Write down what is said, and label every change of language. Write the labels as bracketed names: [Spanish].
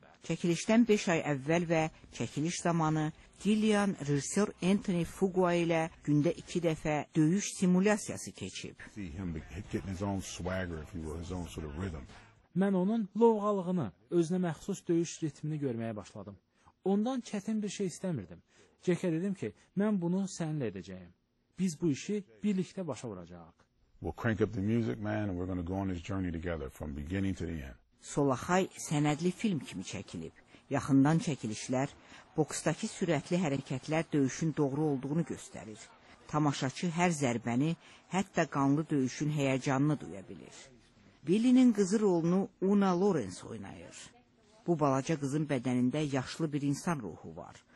[Azerbaijani] Çəkilişdən 5 ay əvvəl və çəkiliş zamanı Gillian rejissor Anthony Fuqua ilə gündə 2 dəfə döyüş simulyasiyası keçib. Mən onun lovğalığını, özünə məxsus döyüş ritmini görməyə başladım. Ondan çətin bir şey istəmirdim. Cekə dedim ki, mən bunu sənlə edəcəyim. Biz bu işi birlikdə başa vuracaq. [English] We'll crank up the music, man, and we're going to go on this journey together from beginning to the end. [Azerbaijani] Solo High sənədli film kimi çəkilib. Yaxından çəkilişlər, boksdakı sürətli hərəkətlər döyüşün doğru olduğunu göstərir. Tamaşaçı hər zərbəni, hətta qanlı döyüşün həyəcanını duya bilir. Billy'nin qızı rolunu Una Lawrence oynayır. Bu balaca qızın bədənində yaşlı bir insan ruhu var.